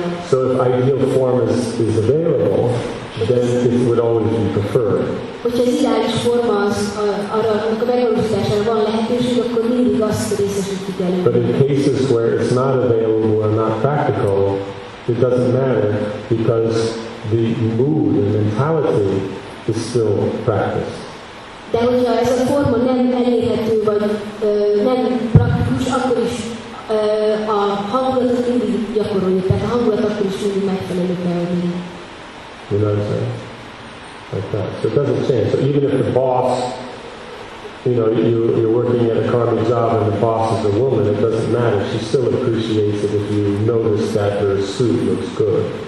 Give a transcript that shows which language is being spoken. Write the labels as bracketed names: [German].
[English] So if ideal form is available, then it would always be preferred. [Hungarian] Hogyha az ideális forma az arra, amikor a megvalósítására van lehetőség, akkor mindig azt részesítjük elő. [English] But in cases where it's not available or not practical, it doesn't matter because the mood and mentality is still practiced. [Hungarian] De hogyha ez a forma nem elérhető, vagy nem praktikus, akkor is a hangulatot mindig gyakoroljuk. Tehát a hangulat akkor is mindig megfelelő kell lenni. [English] You know what I'm saying? Like that. So it doesn't change. So even if the boss, you know, you're working at a karmic job and the boss is a woman, it doesn't matter. She still appreciates it if you notice that her suit looks good.